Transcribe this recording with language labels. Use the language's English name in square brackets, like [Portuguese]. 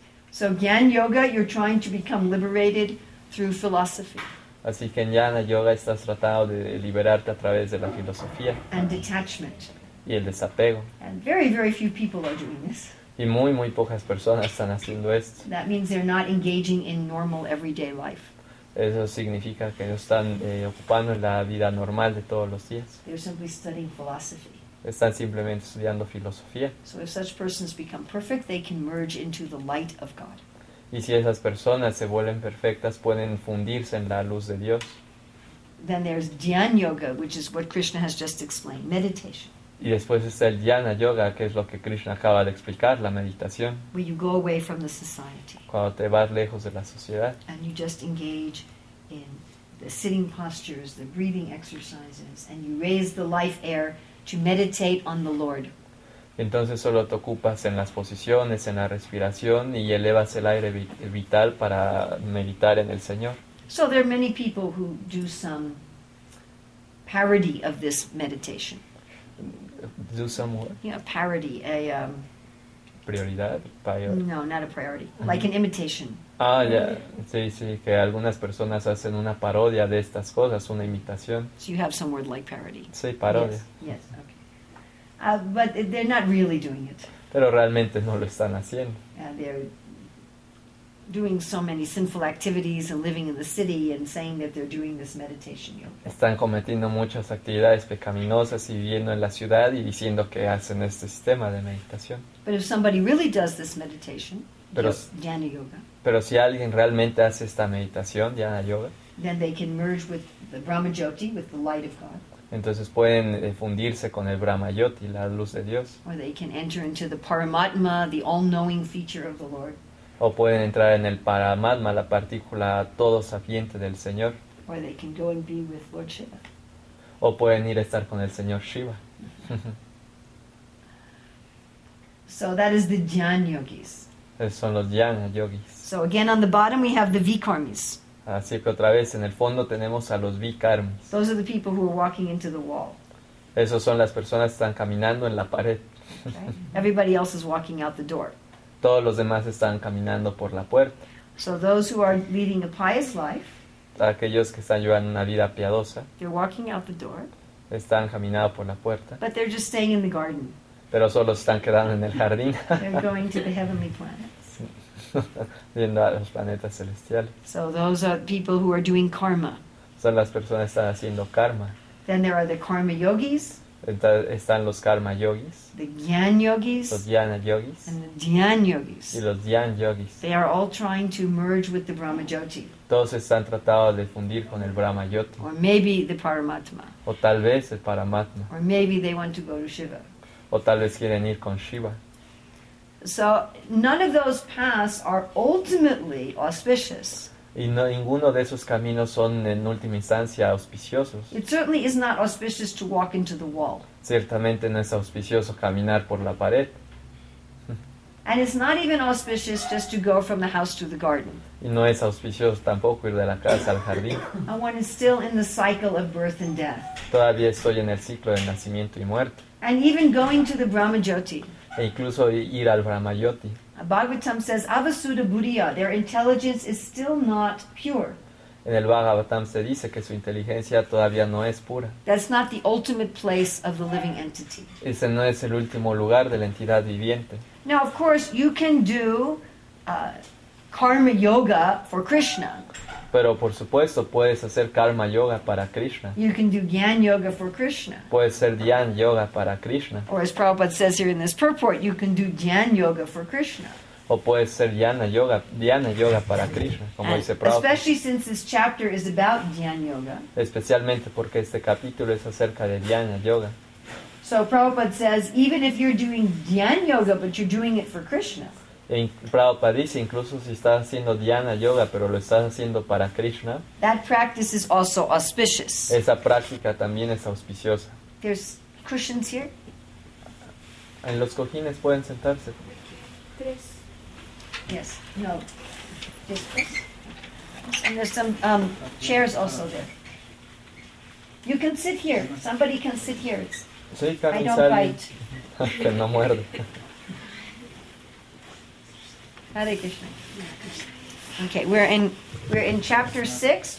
[English] So Gyan Yoga, you're trying to become liberated through philosophy. [Spanish] Así que en Dhyana Yoga estás tratando de liberarte a través de la filosofía. [English] And detachment. [Spanish] Y el desapego. [English] And very, very few people are doing this. [Spanish] Y muy, muy pocas personas están haciendo esto. [English] That means they're not engaging in normal everyday life. [Spanish] Eso significa que no están ocupando la vida normal de todos los días. [English] They're simply studying philosophy. [Spanish] Están simplemente estudiando filosofía. [English] So if such persons become perfect, they can merge into the light of God. [Spanish] Y si esas personas se vuelven perfectas, pueden fundirse en la luz de Dios. [English] Then there's Dhyan Yoga, which is what Krishna has just explained, meditation. [Spanish] Y después está el Dhyana Yoga, que es lo que Krishna acaba de explicar, la meditación. [English] Where you go away from the society. [Spanish] Cuando te vas lejos de la sociedad. [English] And you just engage in the sitting postures, the breathing exercises, and you raise the life air to meditate on the Lord. [Spanish] Entonces solo te ocupas en las posiciones, en la respiración y elevas el aire vital para meditar en el Señor. [English] So there are many people who do some parody of this meditation. Do some what? Yeah, parody. [Spanish] Prioridad. [English] No, not a priority. Like an imitation. [Spanish] Ah, ya. [English] Yeah. [Spanish] Sí, que algunas personas hacen una parodia de estas cosas, una imitación. [English] So you have some word like parody. [Spanish] Sí, parodia. [English] Yes. Okay. But they're not really doing it. [Spanish] Pero realmente no lo están haciendo. [English] They're doing so many sinful activities and living in the city and saying that they're doing this meditation yoga. [Spanish] Están cometiendo muchas actividades pecaminosas y viviendo en la ciudad y diciendo que hacen este sistema de meditación. [English] But if somebody really does this meditation, Dhyana Yoga. [Spanish] Pero si alguien realmente hace esta meditación, Dhyana Yoga, [English] then they can merge with the Brahma Jyoti, with the light of God. [Spanish] Entonces pueden fundirse con el Brahma Jyoti, la luz de Dios. [English] Or they can enter into the Paramatma, the all-knowing feature of the Lord. [Spanish] O pueden entrar en el Paramatma, la partícula todo sapiente del Señor. [English] Or they can go and be with Lord Shiva. [Spanish] O pueden ir a estar con el Señor Shiva. [English] So that is the Dhyan Yogis. [Spanish] Esos son los Dhyana Yogis. [English] So again on the bottom we have the Vikarmis. [Spanish] Así que otra vez, en el fondo tenemos a los Vikarmis. [English] Those are the people who are walking into the wall. [Spanish] Esos son las personas que están caminando en la pared. [English] Okay. Everybody else is walking out the door. [Spanish] Todos los demás están caminando por la puerta. [English] So those who are leading a pious life, [Spanish] aquellos que están llevando una vida piadosa, [English] they're walking out the door, [Spanish] están caminando por la puerta. [English] But they're just staying in the garden. [Spanish] Pero solo están quedando en el jardín. [English] They're going to the heavenly planet. [Spanish] Viendo a los planetas celestiales. [English] So those are people who are doing karma. [Spanish] Son las personas que están haciendo karma. [English] Then there are the karma yogis. [Spanish] Entonces están los karma yogis. [English] The gyan yogis. [Spanish] Los dhyana yogis. [English] And the dhyan yogis. [Spanish] Y los dhyan yogis. [English] They are all trying to merge with the Brahma Jyoti. [Spanish] Todos están tratando de fundir con el Brahma Jyoti. [English] Or maybe the Paramatma. [Spanish] O tal vez el Paramatma. [English] Or maybe they want to go to Shiva. [Spanish] O tal vez quieren ir con Shiva. [English] So none of those paths are ultimately auspicious. [Spanish] Y no, ninguno de esos caminos son en última instancia auspiciosos. [English] It certainly is not auspicious to walk into the wall. [Spanish] Ciertamente no es auspicioso caminar por la pared. [English] And it's not even auspicious just to go from the house to the garden. [Spanish] Y no es auspicioso tampoco ir de la casa al jardín. [English] And one is still in the cycle of birth and death. [Spanish] Todavía estoy en el ciclo de nacimiento y muerte. [English] And even going to the Brahma Jyoti. [Spanish] e incluso ir al Brahmayoti. [English] Bhagavatam says [Sanskrit] Avasuddha Buddhiya, [English] their intelligence is still not pure. [Spanish] En el Bhagavatam se dice que su inteligencia todavía no es pura. [English] That's not the ultimate place of the living entity. [Spanish] Ese no es el último lugar de la entidad viviente. [English] Now, of course, you can do karma yoga for Krishna. [Spanish] Pero por supuesto puedes hacer karma yoga para Krishna. [English] You can do gyan yoga for Krishna. [Spanish] Puedes hacer gyan yoga para Krishna. [English] Or as Prabhupada says here in this purport, you can do gyan yoga for Krishna. [Spanish] O puede ser dhyana yoga para Krishna, como dice Prabhupada. [English] Especially since this chapter is about dhyana yoga. [Spanish] Especialmente porque este capítulo es acerca de dhyana yoga. [English] So Prabhupada says, even if you're doing dhyana yoga, but you're doing it for Krishna. [Spanish] Prabhupada dice, incluso si estás haciendo dhyana yoga, pero lo estás haciendo para Krishna. [English] That practice is also auspicious. [Spanish] Esa práctica también es auspiciosa. [English] There's cushions here. [Spanish] En los cojines pueden sentarse. Tres. [English] Yes, no. Just, and there's some chairs also there. You can sit here. Somebody can sit here. [Spanish] Sí, [English] I don't bite. [Spanish] Que no muerde. [English] Hare Krishna. Okay, we're in chapter 6.